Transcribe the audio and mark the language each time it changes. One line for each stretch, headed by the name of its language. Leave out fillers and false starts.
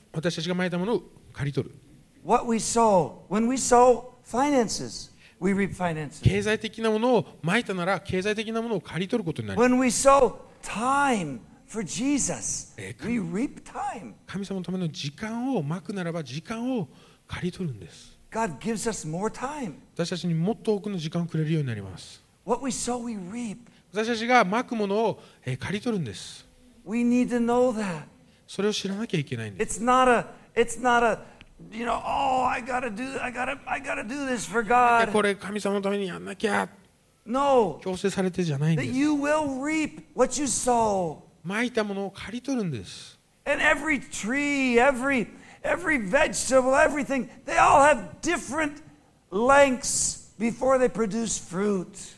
Japanese: 私たちが撒いたものを刈り取る。
English: what we sow, when we sow financesWe reap finances.
Japanese: 経済的なものを撒いたなら経済的なものを刈り取ることになります
English: When we sow time for Jesus, we reap time.
Japanese: 神様のための時間を撒くならば時間を刈り取るんです。
English: God gives us more time.
Japanese: 私たちにもっと多くの時間をくれるようになります。
English: What we sow, we reap.
Japanese: 私たちが撒くものを刈り取るんです。
English: We need to know that.
Japanese: それを知らなきゃいけないんです。
English: It's not aYou know, oh, I gotta do this for God.
Japanese: これ神様のためにやんなきゃ。
English: No.
Japanese: 強制されてじゃないんです。
English: That you will reap what you sow.
Japanese: 撒いたものを刈り取るんです。
English: And every tree, every vegetable, everything, they all have different lengths before they produce fruit.